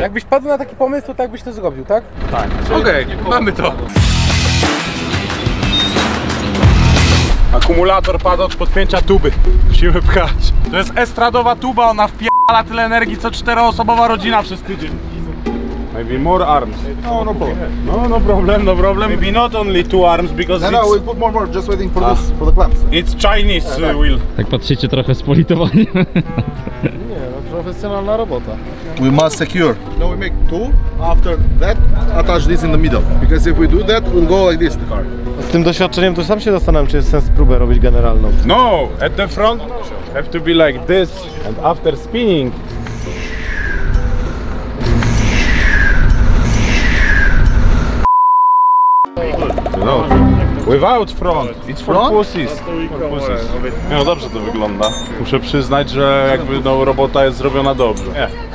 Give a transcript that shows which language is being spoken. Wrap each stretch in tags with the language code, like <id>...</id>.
<pl>Jakbyś padł na taki pomysł, to tak byś to zrobił, tak? Tak. Okej, okay, mamy to. Akumulator padł od podpięcia tuby. Musimy pchać. To jest estradowa tuba, ona wpierdala tyle energii, co czteroosobowa rodzina przez tydzień.</pl> <en>Maybe more arms. No problem. Maybe not only two arms, because no, it's... No, we put more, just waiting for this, for the clamps. It's Chinese, yeah, wheel.</en> <pl>Tak patrzycie trochę z politowaniem. Nie, no profesjonalna robota.</pl> <en>We must secure. No, we make two, after that, attach this in the middle. Because if we do that, we'll go like this, the car.</en> <pl>Z tym doświadczeniem to sam się zastanawiam, czy jest sens próbę robić generalną.</pl> <en>No, at the front, have to be like this, and after spinning, no, without front, it's for front? Pussies.</en> <pl>Nie, no dobrze to wygląda. Muszę przyznać, że jakby no, robota jest zrobiona dobrze.</pl>